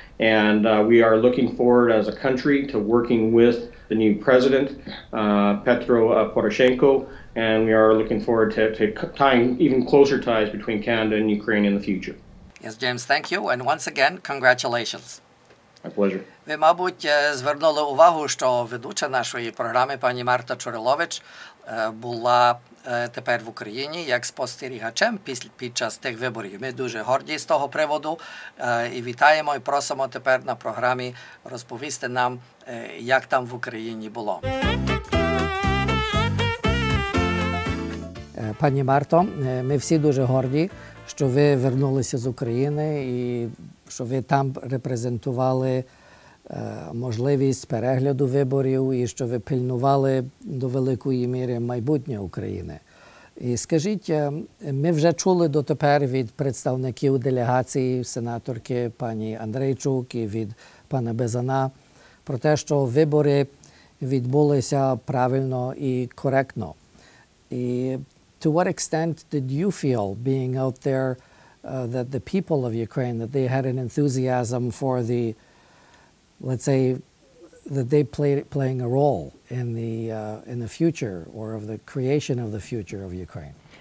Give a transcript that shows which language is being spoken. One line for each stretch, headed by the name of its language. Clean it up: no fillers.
English: And we are looking forward as a country to working with the new president, Petro Poroshenko, and we are looking forward to tying even closer ties between Canada and Ukraine in the future. Yes, James, thank you, and once again, congratulations. My pleasure.
Ukrainian: Ви, мабуть, звернули увагу, що ведуча нашої програми, пані Марта Чорилович, була тепер в Україні як спостерігачем під час тих виборів. Ми дуже горді з того приводу і вітаємо, і просимо тепер на програмі розповісти нам, як там в Україні було. Пані Марто, ми всі дуже горді, що ви вернулися з України і що ви там репрезентували можливість перегляду виборів і що ви пильнували до великої міри майбутнє України. І скажіть, ми вже чули дотепер від представників делегації сенаторки пані Андрейчук і від пана Безана про те, що вибори відбулися правильно і коректно. І
English: to what extent did you feel being out there that the people of Ukraine, that they had an enthusiasm for the, let's say, that they playing a role in the future or of the creation of the future of Ukraine?